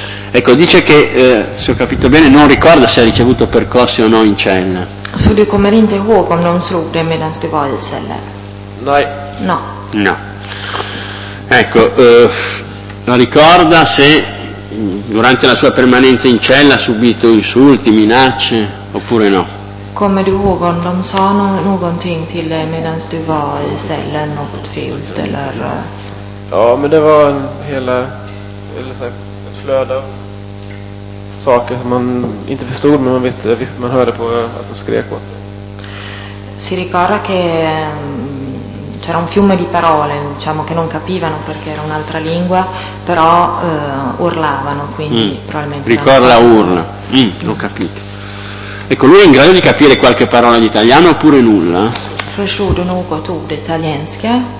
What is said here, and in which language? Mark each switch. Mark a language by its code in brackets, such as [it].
[it] Ecco, dice che se ho capito bene non ricorda se ha ricevuto percosse o no in cella. Su di come rinte uoco non slude medan sti va il celler. No. No. Ecco, la ricorda se durante la sua permanenza in cella ha subito insulti, minacce oppure no? [sv] Kommer du ihåg om de sa någonting till dig medan du var i cellen, något fult eller? Ja, men det var en hela eller så här, ett flöde av saker som man inte förstod, men man hörde på att de skrek åt. [it] Si ricorda che c'era un fiume di parole, diciamo che non capivano perché era un'altra lingua, però urlavano, quindi probabilmente. Ricorda la urla. Ho capito. Ecco, lui è in grado di capire qualche parola di italiano oppure nulla? [sv] Förstod du något ord italienska?